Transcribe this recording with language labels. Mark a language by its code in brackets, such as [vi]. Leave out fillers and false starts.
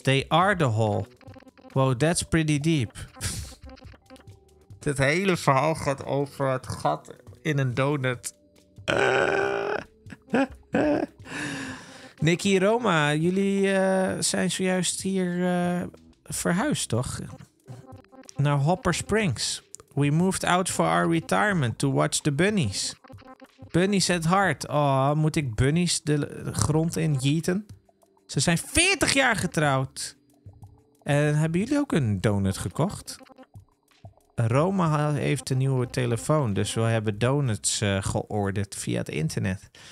[en] They are the hole. Whoa, that's pretty deep. [nl] Dit hele verhaal gaat over het gat in een donut. Nicky, Roma, jullie zijn zojuist hier... verhuisd, toch? Naar Hopper Springs. [en] We moved out for our retirement to watch the bunnies. Bunnies at heart. [nl] Oh, moet ik bunnies de grond in yeeten? Ze zijn 40 jaar getrouwd. En hebben jullie ook een donut gekocht? Roma heeft een nieuwe telefoon, dus we hebben donuts georderd via het internet.